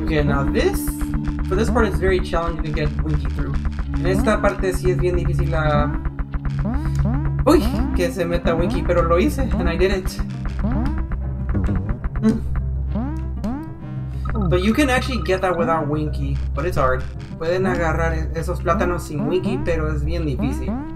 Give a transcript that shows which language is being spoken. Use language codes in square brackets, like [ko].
[en] This part is very challenging to get Winky through. [es] En esta parte sí es bien difícil a... Uy, que se meta Winky, pero lo hice, [en] and I did it. But you can actually get that without Winky, but it's hard. [es] Pueden agarrar esos plátanos sin Winky, pero es bien difícil.